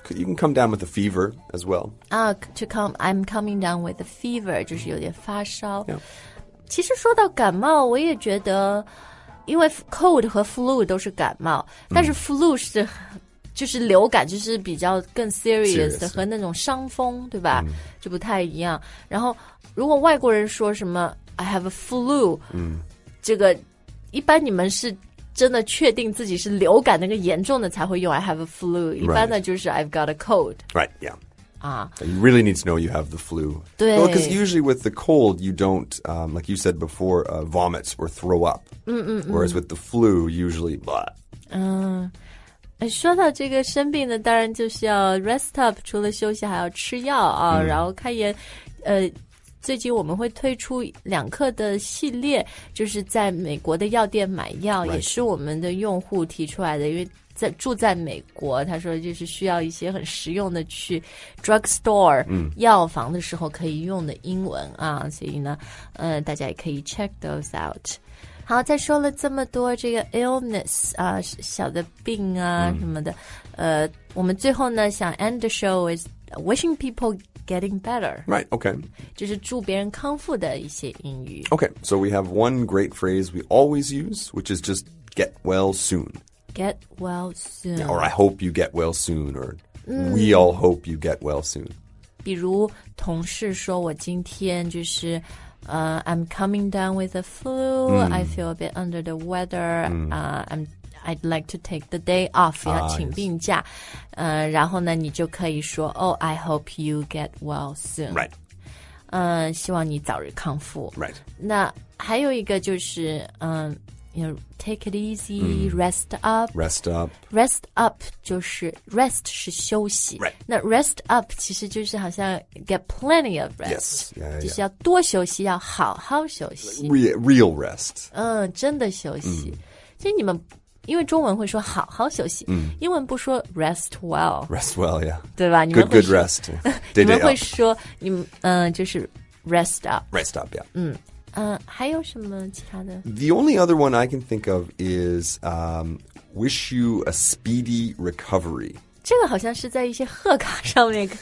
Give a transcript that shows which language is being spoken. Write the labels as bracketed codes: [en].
[en] You can come down with a fever as well. I'm coming down with a fever, [zh] 就是有点发烧。 [en] Yeah. [zh] 其实说到感冒我也觉得因为 cold 和 flu 都是感冒但是 flu 是就是流感就是比较更 serious 的和那种伤风对吧、就不太一样。然后如果外国人说什么 [en] I have a flu,、 [zh] 这个一般你们是真的确定自己是流感那个严重的才会用 I have a flu 一般的就是 [en] I've got a cold right yeah you really need to know you have the flu [zh] 对 [en] well, because usually with the cold you don't like you said before vomit or throw up whereas with the flu usually blah [zh] 说到这个生病的当然就是要 [en] rest up [zh] 除了休息还要吃药啊、然后开炎最近我们会推出两课的系列就是在美国的药店买药、 [en] right. [zh] 也是我们的用户提出来的因为在住在美国他说就是需要一些很实用的去 drugstore、药房的时候可以用的英文啊所以呢大家也可以 [en] check those out [zh] 好再说了这么多这个 illness 啊小的病啊、什么的我们最后呢想 [en] end the show is wishing peopleGetting better. Right, okay. [zh] 就是祝别人康复的一些英语。 [en] Okay, so we have one great phrase we always use, which is just get well soon. Get well soon. Yeah, or I hope you get well soon, or we all hope you get well soon. [zh] 比如同事说我今天就是 [en] I'm coming down with the flu,、 [zh] mm. [en] I feel a bit under the weather,、mm. I'd like to take the day off, [zh] 要请病假、 [en] yes. [zh] 然后呢你就可以说 [en] Oh, I hope you get well soon. Right.、 [zh] 希望你早日康复。 [en] Right. [zh] 那还有一个就是、 [en] you know, take it easy,、mm. rest up. Rest up. Rest up [zh] 就是 rest 是休息。 [en] Right. 那 rest up [zh] 其实就是好像 [en] get plenty of rest. Yes. Yeah, yeah, yeah. [zh] 就是要多休息要好好休息。 [en] Real rest.、 [zh] 真的休息。 Mm. 其实你们因为中文会说好好休息、嗯、英文不说 [en] rest well rest well yeah [zh] 对吧 [en] good good rest day [zh] 你们会说你们、就是 [en] rest up rest up yeah、 [zh] 嗯还有什么其他的 [en] the only other one I can think of is、wish you a speedy recovery [zh] 这个好像是在一些贺卡上面